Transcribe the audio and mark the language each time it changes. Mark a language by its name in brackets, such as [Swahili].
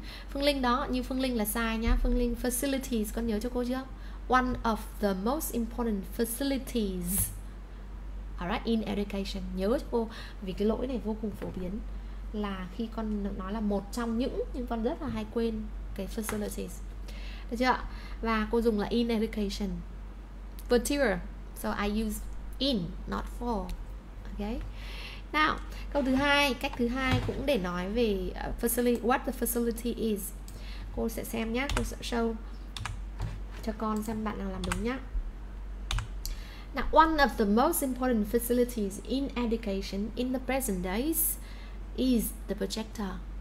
[Vietnamese] Phương Linh đó, như Phương Linh là sai nhá. Phương Linh, facilities, con nhớ cho cô chưa? [English] One of the most important facilities, alright, in education. [Vietnamese] Nhớ cho cô, vì cái lỗi này vô cùng phổ biến, là khi con nói là một trong những, nhưng con rất là hay quên cái facilities. Được chưa? Và cô dùng là [English] in education. Material, so I use in, not for. Okay. [Vietnamese] Nào, câu thứ hai, cách thứ hai cũng để nói về [English] what the facility is. [Vietnamese] Cô sẽ xem nhé, cô sẽ show cho con xem bạn nào làm đúng nhé. [English] Now, one of the most important facilities in education in the present days is the projector.